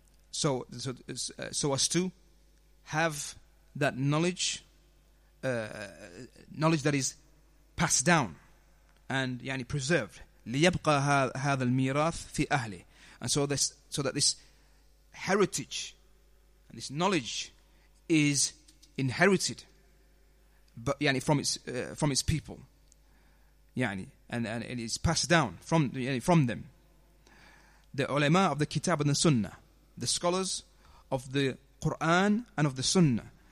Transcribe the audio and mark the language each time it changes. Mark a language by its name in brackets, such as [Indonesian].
[English] So as to have that knowledge, knowledge that is passed down and يعني preserved. [Arabic] ليبقى هذا الميراث في أهله. [English] And so this, so that this heritage and this knowledge is inherited, but يعني from its people. يعني and it is passed down from them. The ulama of the kitab and the sunnah, the scholars of the Quran and of the sunnah.